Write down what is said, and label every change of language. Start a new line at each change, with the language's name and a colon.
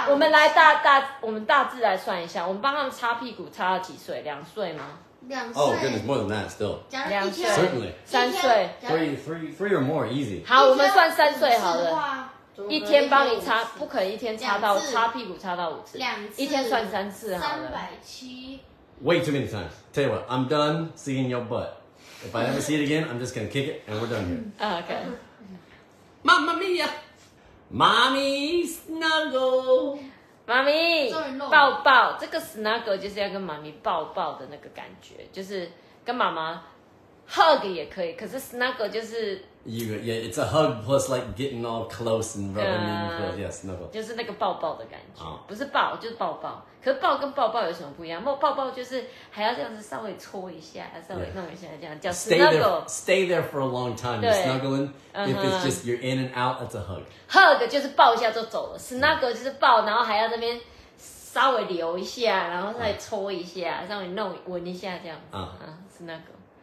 Chinese: 我们来大致来算一下，我们帮他们擦屁股擦了几岁？两岁吗？两岁。
English: Oh goodness, more than that still.
Chinese: 两岁。
English: Certainly.
Chinese: 三岁。
English: Three or more, easy.
Chinese: 好，我们算三岁好了。一天帮你擦，不可能一天擦屁股擦到五次。两次。一天算三次好了。 370。
English: Way too many times. Tell you what, I'm done seeing your butt. If I ever see it again, I'm just gonna kick it and we're done here. Okay. Mamma mia. Mommy snuggle,
Chinese: mommy 抱抱。这个 snuggle 就是要跟妈咪抱抱的那个感觉，就是跟妈妈 hug 也可以。可是 snuggle 就是
English: yeah, it's a hug plus like getting all close and rubbing in close. Yeah, snuggle
Chinese: 就是那个抱抱的感觉， oh. 不是抱就是抱抱。可是抱跟抱抱有什么不一样？抱抱就是还要这样子稍微搓一下，稍微弄一下，这样叫 snuggle.
English: Stay there for a long time, you're snuggling. If it's just you're in and out, that's a hug.
Chinese: Hug 就是抱一下就走了 ，snuggle 就是抱，然后还要这边稍微留一下，然后再搓一下，稍微弄闻一下这样子。Snuggle.